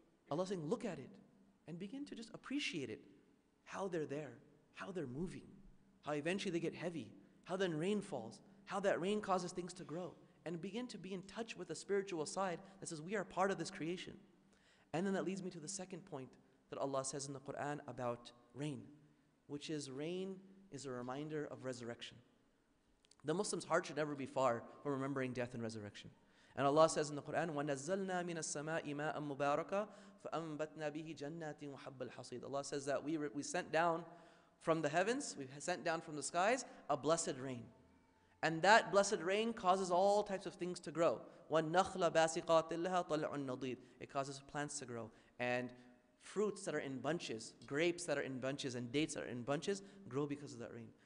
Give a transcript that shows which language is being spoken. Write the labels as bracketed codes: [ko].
[en] Allah saying, look at it and begin to just appreciate it, how they're there, how they're moving, how eventually they get heavy, how then rain falls, how that rain causes things to grow, and begin to be in touch with the spiritual side that says we are part of this creation. And then that leads me to the second point that Allah says in the Quran about rain, which is rain is a reminder of resurrection. The Muslim's heart should never be far from remembering death and resurrection. And Allah says in the Quran, [ar] وَنَزَّلْنَا مِنَ السَّمَاءِ مَاءً مُبَارَكًا فَأَنْبَتْنَا بِهِ جَنَّاتٍ وَحَبَّ الْحَصِيدِ. [en] Allah says that we sent down from the heavens, we sent down from the skies, a blessed rain. And that blessed rain causes all types of things to grow. [ar] وَالنَّخْلَ بَاسِقَاتٍ لَهَا طَلْعٌ نَضِيدٍ. [en] It causes plants to grow. And fruits that are in bunches, grapes that are in bunches, and dates that are in bunches, grow because of that rain.